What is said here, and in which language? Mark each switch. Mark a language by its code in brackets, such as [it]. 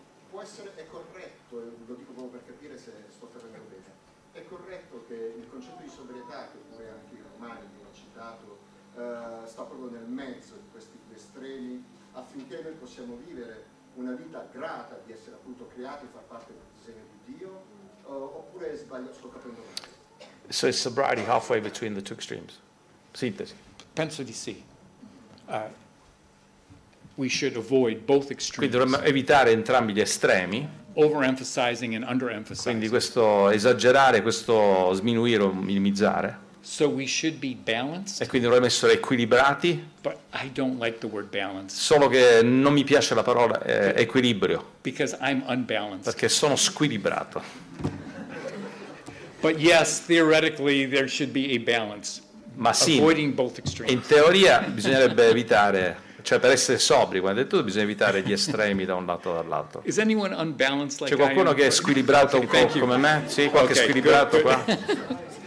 [it] può essere, è corretto, lo dico proprio per capire se sto capendo bene, è corretto che il concetto di sobrietà, che poi anche i romani hanno citato, sta proprio nel mezzo di questi due estremi, affinché noi possiamo vivere una vita grata di essere appunto creati e far parte del disegno di Dio, oppure è sbagliato, sto capendo bene. [en] So it's sobriety halfway between the two extremes. [it] Sintesi. Penso di sì. [en] We should avoid both extremes. [it] Quindi dovremmo evitare entrambi gli estremi. [en] Overemphasizing and underemphasizing. [it] Quindi questo esagerare, questo sminuire o minimizzare. [en] So we should be balanced. [it] E quindi dovremmo essere equilibrati. [en] But I don't like the word balance. [it] Solo che non mi piace la parola equilibrio. [en] Because I'm unbalanced. [it] Perché sono squilibrato. [en] But yes, theoretically there should be a balance. [it] Ma sì, [en] avoiding both extremes. [it] In teoria bisognerebbe evitare, cioè per essere sobri, come hai detto, bisogna evitare gli estremi da un lato o dall'altro. [en] Is anyone unbalanced like [it] C'è qualcuno [en] I [it] che è squilibrato un po' come me? Sì, qualche squilibrato qua?